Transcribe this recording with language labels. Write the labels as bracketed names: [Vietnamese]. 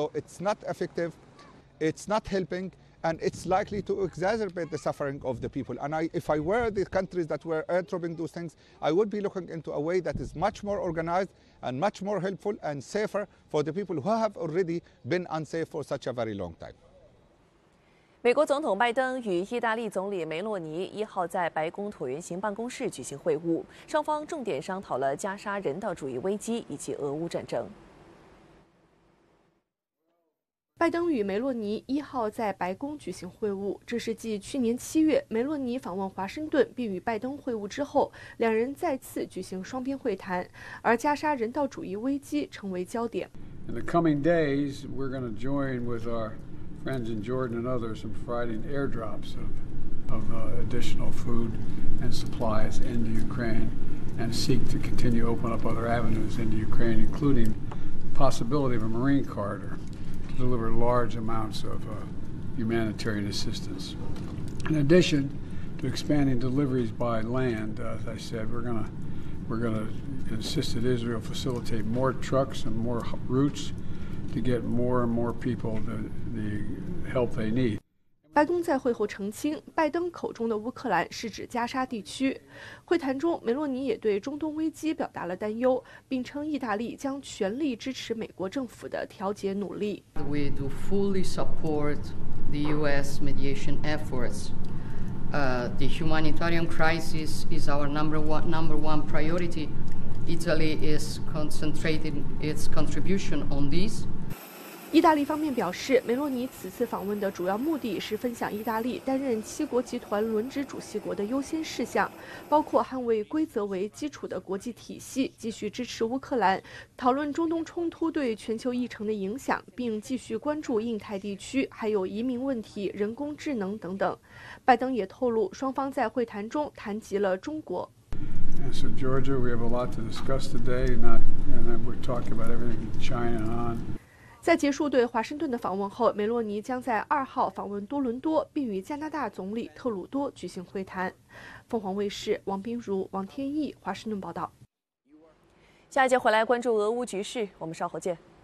[English] So it's not effective, it's not helping, and it's likely to exacerbate the suffering of the people. And if I were the countries that were airdropping those things, I would be looking into a way that is much more organized and much more helpful and safer for the people who have already been unsafe for such a very long time. [Chinese] 美国总统拜登与意大利总理梅洛尼一号在白宫椭圆形办公室举行会晤，双方重点商讨了加沙人道主义危机以及俄乌战争。拜登与梅洛尼一号在白宫举行会晤，这是继去年七月梅洛尼访问华盛顿并与拜登会晤之后，两人再次举行双边会谈，而加沙人道主义危机成为焦点。 [English] In the coming days, we're going to join with our friends in Jordan and others in providing airdrops additional food and supplies into Ukraine, and seek to continue to open up other avenues into Ukraine, including the possibility of a Marine corridor. Deliver large amounts of humanitarian assistance. In addition to expanding deliveries by land, as I said, we're gonna insist that Israel facilitate more trucks and more routes to get more and more people the help they need. [Chinese] 白宫在会后澄清，拜登口中的乌克兰是指加沙地区。会谈中，梅洛尼也对中东危机表达了担忧，并称意大利将全力支持美国政府的调解努力。 [English] We do fully support the U.S. mediation efforts. The humanitarian crisis is our number one priority. Italy is concentrating its contribution on this. [Chinese] 意大利方面表示，梅洛尼此次访问的主要目的是分享意大利担任七国集团轮值主席国的优先事项，包括捍卫规则为基础的国际体系，继续支持乌克兰，讨论中东冲突对全球议程的影响，并继续关注印太地区，还有移民问题、人工智能等等。拜登也透露，双方在会谈中谈及了中国。 [English] So Georgia, we have a lot to discuss today, and we're talking about everything from China on. [Chinese] 在结束对华盛顿的访问后，梅洛尼将在二号访问多伦多，并与加拿大总理特鲁多举行会谈。凤凰卫视王冰如、王天翼华盛顿报道。下一节回来关注俄乌局势，我们稍后见。